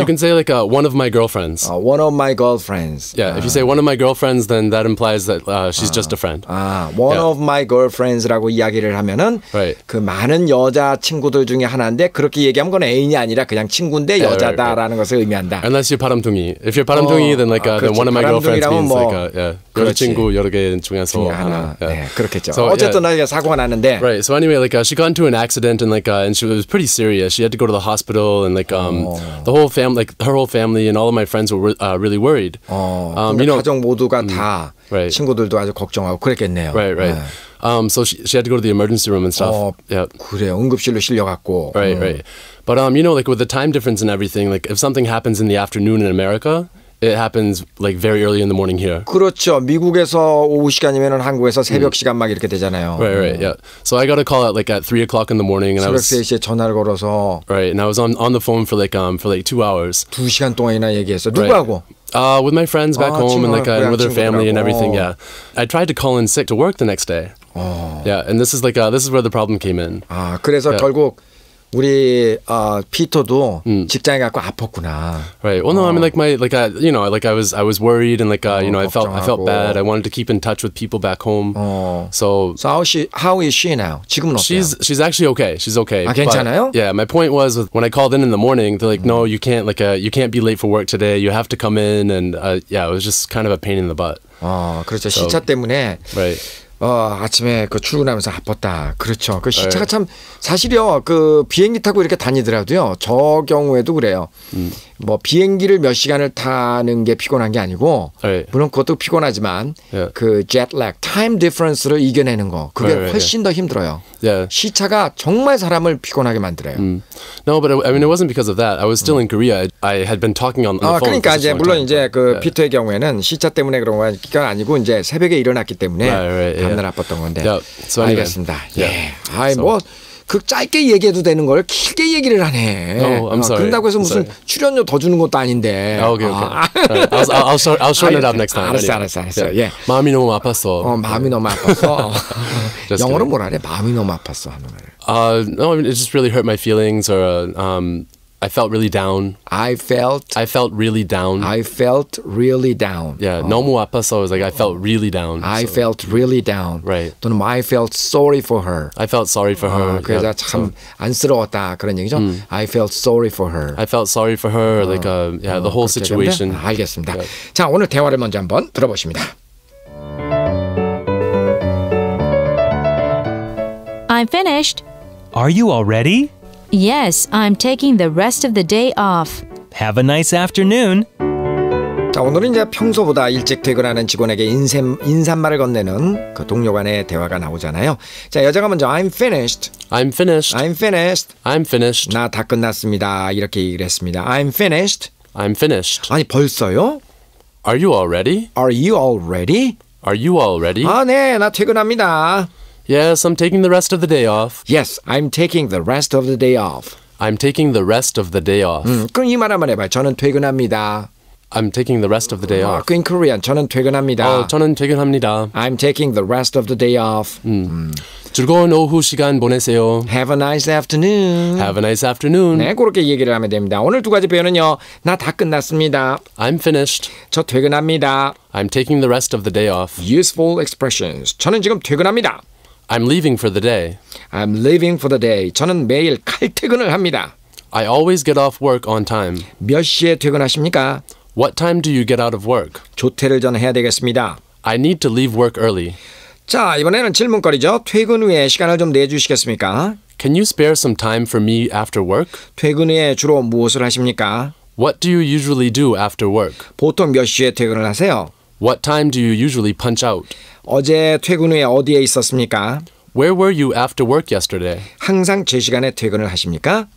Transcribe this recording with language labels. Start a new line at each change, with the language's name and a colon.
English: You can say like one of my girlfriends. One of my girlfriends. Yeah, if you say one of my girlfriends, then that implies that she's just a friend. One of my girlfriends라고
Korean: 이야기를 하면은
English: right.
Korean: 그 많은 여자 친구들 중에 하나인데 그렇게 얘기하면 그건 애인이 아니라 그냥 친구인데 여자다라는 right. 것을 의미한다.
English: Unless you're 바람둥이. If you're 바람둥이, then like then one of my girlfriends means 뭐, like yeah,
Korean: 여자 친구 여러 개 중에서 하나. Yeah. 네, 그렇겠죠. So, 어쨌든 yeah. 사고가 났는데.
English: Right. So anyway, like she got into an accident and like and she was pretty serious. She had to go to the hospital and like the whole family, like her whole family and all of my friends were really worried.
Korean: 가정 모두가 다 right. 친구들도 아주 걱정하고 그랬겠네요.
English: Right. Right. So she had to go to the emergency room and stuff. Yeah.
Korean: 그래요. 응급실로 실려갔고.
English: Right. Right. But you know, like with the time difference and everything, like if something happens in the afternoon in America. It happens like very early in the morning here.
Korean: 그렇죠. 미국에서 오후 시간이면은 한국에서 새벽 시간 막 이렇게 되잖아요.
English: Right, right, yeah. So I got a call at like at 3 o'clock in the morning, and I was
Korean: 새벽 3시에 전화를 걸어서.
English: Right, and I was on the phone for like 2 hours.
Korean: 두 시간 동안이나 얘기했어. 누구하고?
English: With my friends back home and like and with their family and everything. Yeah, I tried to call in sick to work the next day. Yeah, and this is like this is where the problem came in.
Korean: 아, 그래서 결국. 우리 피터도 직장에 갖고 아팠구나.
English: Right. Well, no. I mean, like my, like I, you know, like I was worried and like you know, I felt bad. I wanted to keep in touch with people back home. So how is she now?
Korean: 지금은 어때요?
English: She's actually okay. She's okay.
Korean: 아, 괜찮아요?
English: But, yeah. My point was when I called in the morning, they're like, no, you can't, like you can't be late for work today. You have to come in, and yeah, it was just kind of a pain in the butt.
Korean: 그렇죠. So, 시차 때문에.
English: Right.
Korean: 아침에 그 출근하면서 아팠다. 그렇죠. 그 시차가 right. 참 사실이요. 그 비행기 타고 이렇게 다니더라도요. 저 경우에도 그래요. 뭐 비행기를 몇 시간을 타는 게 피곤한 게 아니고
English: right.
Korean: 물론 그것도 피곤하지만
English: yeah.
Korean: 그 jetlag, time difference를 이겨내는 거 그게 right, right, 훨씬 yeah. 더 힘들어요.
English: Yeah.
Korean: 시차가 정말 사람을 피곤하게 만들어요.
English: No, but I mean it wasn't because of that. I was still in Korea. I had been talking on the phone.
Korean: 그러니까 이제 물론 이제 그 yeah. 피터의 경우에는 시차 때문에 그런 거가 아니고 이제 새벽에 일어났기 때문에
English: right, right,
Korean: 밤날
English: yeah.
Korean: 아팠던 건데
English: yeah. so,
Korean: 알겠습니다.
English: Yeah.
Korean: 예. 아이 so. 뭐 그 짧게 얘기해도 되는 걸 길게 얘기를 하네.
English: Oh, I'm sorry.
Korean: 그런다고 해서 무슨 출연료 더 주는 것도 아닌데.
English: Okay. I'll shorten it up next time.
Korean: 알았어. Yeah. 마음이 너무 아팠어. 마음이 너무 아팠어. 영어로 뭐라 그래? 마음이 너무 아팠어 하는 말.
English: No, I mean, it just really hurt my feelings or I felt really down. I felt really down. Yeah,
Korean: 너무 아파서
English: I was like, I felt really down. I felt really down. Right. 또는 I felt sorry for her. I felt sorry for her.
Korean: 그래서
English: yep.
Korean: 참 안쓰러웠다 그런 얘기죠.
English: Mm. I felt sorry for her. I felt sorry for her. Like yeah, the whole situation.
Korean: 알겠습니다. Yeah. 자, 오늘 대화를 먼저 한번 들어보십니다.
English: I'm finished. Are you all ready? Yes, I'm taking the rest of the day off. Have a nice afternoon.
Korean: 자, 오늘은 이제 평소보다 일찍 퇴근하는 직원에게 인사말을 건네는 그 동료 간의 대화가 나오잖아요. 자, 여자가 먼저 I'm finished. 나 다 끝났습니다. 이렇게 얘기를 했습니다.
English: I'm finished.
Korean: 아니, 벌써요?
English: Are you all ready?
Korean: 아, 네. 나 퇴근합니다.
English: Yes, I'm taking the rest of the day off. Yes, I'm taking the rest of the day off. I'm taking the rest of the day off.
Korean: 그럼 이 말 한번 해봐요. 저는 퇴근합니다.
English: I'm taking the rest of the day off.
Korean: 그
English: in Korean,
Korean: 저는 퇴근합니다. 저는 퇴근합니다.
English: I'm taking the rest of the day off.
Korean: 즐거운 오후 시간 보내세요.
English: Have a nice afternoon. Have a nice afternoon.
Korean: 네, 그렇게 얘기를 하면 됩니다. 오늘 두 가지 표현은요. 나 다 끝났습니다.
English: I'm finished.
Korean: 저 퇴근합니다.
English: I'm taking the rest of the day off. Useful expressions.
Korean: 저는 지금 퇴근합니다.
English: I'm leaving for the day. I'm leaving for the day.
Korean: 저는 매일 칼퇴근을 합니다.
English: I always get off work on time.
Korean: 몇 시에 퇴근하십니까?
English: What time do you get out of work?
Korean: 조퇴를 전해야 되겠습니다.
English: I need to leave work early.
Korean: 자, 이번에는 질문거리죠. 퇴근 후에 시간을 좀 내주시겠습니까?
English: Can you spare some time for me after work?
Korean: 퇴근 후에 주로 무엇을 하십니까?
English: What do you usually do after work?
Korean: 보통 몇 시에 퇴근을 하세요?
English: What time do you usually punch out?
Korean: 어제 퇴근 후에 어디에 있었습니까?
English: Where were you after work yesterday?
Korean: 항상 제 시간에 퇴근을 하십니까?